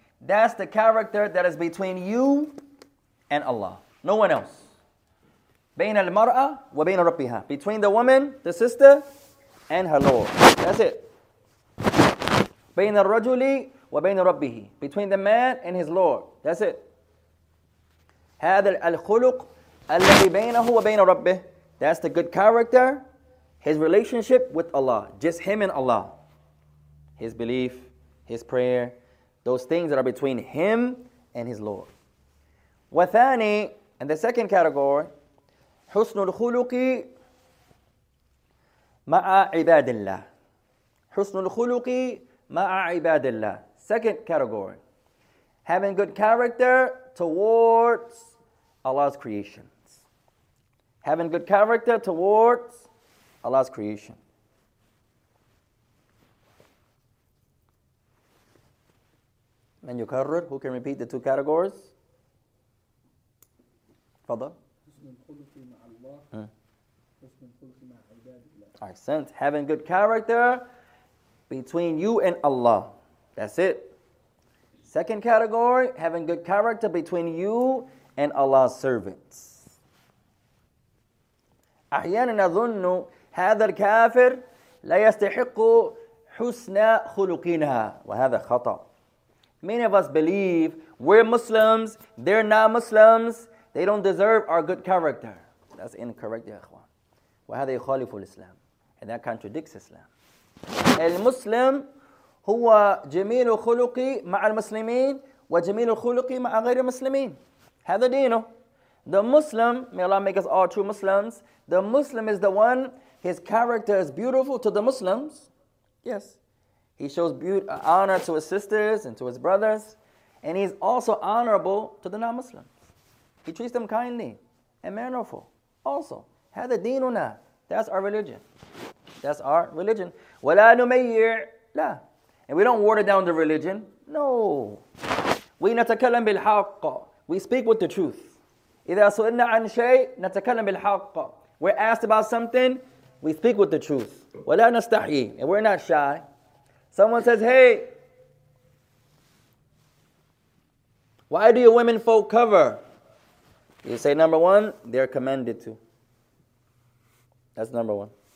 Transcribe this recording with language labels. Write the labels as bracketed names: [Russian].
[English] That's the character that is between you and Allah. No one else. [Arabic] بين المرأة وبين ربها. [English] Between the woman, the sister, and her Lord. That's it. [Arabic] بين الرجل وبين ربه. [English] Between the man and his Lord. That's it. [Arabic] هذا الخلق الذي بينه وبين ربه. [English] That's the good character, his relationship with Allah. Just him and Allah. His belief, his prayer, those things that are between him and his Lord. [Arabic] وثاني, [English] and the second category, [Arabic] حسن الخلق مع عباد الله. حسن الخلق مع عباد الله. [English] Second category. Having good character towards Allah's creations. Having good character towards Allah's creation. [Arabic] من يكرر? [English] Who can repeat the two categories? Fadda. I sense. Having good character between you and Allah. That's it. Second category, having good character between you and Allah's servants. [Arabic] أحيانا نظن هذا الكافر لا يستحق حسن خلقنا وهذا خطأ. [English] Many of us believe we're Muslims, they're not Muslims, they don't deserve our good character. That's incorrect, [Arabic] يا إخوان. وهذا يخالف الإسلام. [English] And that contradicts Islam. [Arabic] المسلم هو جميل خلقي مع المسلمين وجميل خلقي مع غير المسلمين. هذا دينه. [English] The Muslim, may Allah make us all true Muslims, the Muslim is the one, his character is beautiful to the Muslims. Yes. He shows honor to his sisters and to his brothers. And he's also honorable to the non-Muslims. He treats them kindly and mannerful. Also, [Arabic] هذا ديننا. [English] That's our religion. That's our religion. [Arabic] ولا نمير. لا. [English] And we don't water down the religion. No. We [Arabic] نتكلم بالحق. [English] We speak with the truth. [Arabic] إذا سئلنا عن شيء نتكلم بالحق. [English] We're asked about something, we speak with the truth. [Arabic] ولا نستحي. [English] And we're not shy. Someone says, hey, why do your women folk cover? You say, number one, they're commanded to. That's number one.